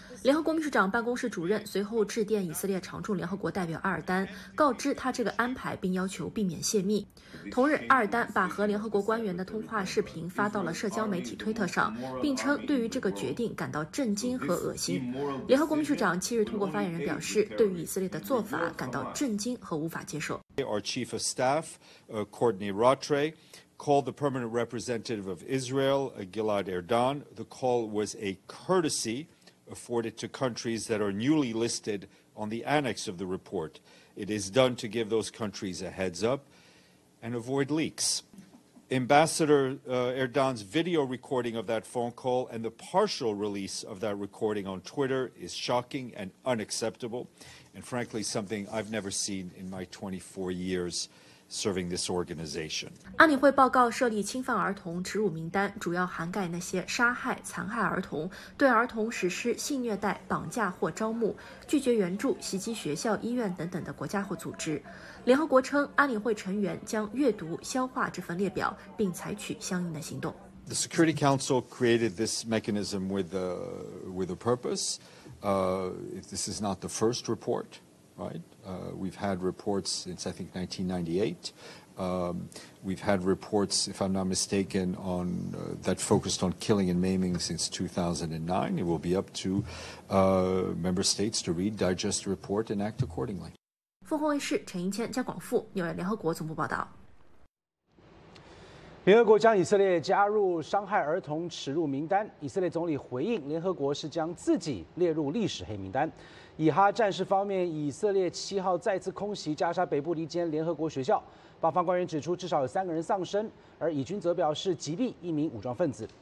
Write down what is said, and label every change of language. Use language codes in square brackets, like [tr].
[zh] 联合国秘书长办公室主任随后致电以色列常驻联合国代表阿尔丹，告知他这个安排，并要求避免泄密。同日，阿尔丹把和联合国官员的通话视频发到了社交媒体推特上，并称对于这个决定感到震惊和恶心。联合国秘书长7日通过发言人表示，对于以色列的做法感到震惊和无法接受。 [en] Our chief of staff, Courtney Rotray, called the permanent representative of Israel, Gilad Erdan. The call was a courtesy. Afforded to countries that are newly listed on the annex of the report. It is done to give those countries a heads up and avoid leaks. Ambassador Erdan's video recording of that phone call and the partial release of that recording on Twitter is shocking and unacceptable, and frankly, something I've never seen in my 24 years. Serving this organization. [zh] 安理会报告设立侵犯儿童耻辱名单，主要涵盖那些杀害、残害儿童、对儿童实施性虐待、绑架或招募、拒绝援助、袭击学校、医院等等的国家或组织。联合国称，安理会成员将阅读、消化这份列表，并采取相应的行动。 [en] The Security Council created this mechanism with a purpose. This is not the first report. right? We've had reports since, I think, 1998. We've had reports, if I'm not mistaken, on that focused on killing and maiming since 2009. It will be up to member states to read, digest the report and act accordingly. [zh] 凤凰卫视陈一谦、江广富，纽约联合国总部报道。联合国将以色列加入伤害儿童耻辱名单，以色列总理回应联合国是将自己列入历史黑名单。以哈战事方面，以色列七号再次空袭加沙北部的一间联合国学校，巴方官员指出至少有三个人丧生，而以军则表示击毙一名武装分子。